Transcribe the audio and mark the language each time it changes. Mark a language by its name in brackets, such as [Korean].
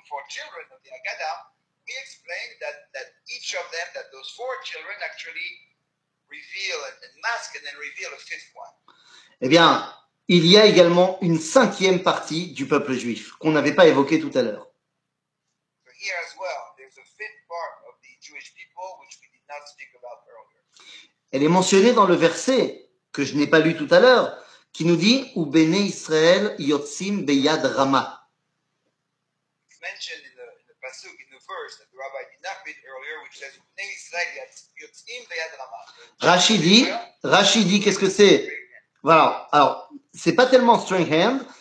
[English] Children of the Haggadah, we explained that each of them, that those four children actually reveal and mask and then reveal a fifth one. [French] Eh bien, il y a également une cinquième partie du peuple juif qu'on n'avait pas évoqué tout à l'heure. [English] So here as well, there's a fifth part of the Jewish people which we did not speak about earlier. [French] Elle est mentionnée dans le verset que je n'ai pas lu tout à l'heure, qui nous dit « [Hebrew] Ubene Israël yotzim beyad rama ». [English] Mentioned in the pasuk in the verse that the rabbi did not read earlier, which says [Hebrew] Bnei Israel yotzim beyad rama. [French] Rashi dit, qu'est-ce que c'est? Voilà. Alors, c'est pas tellement [English] strong hand.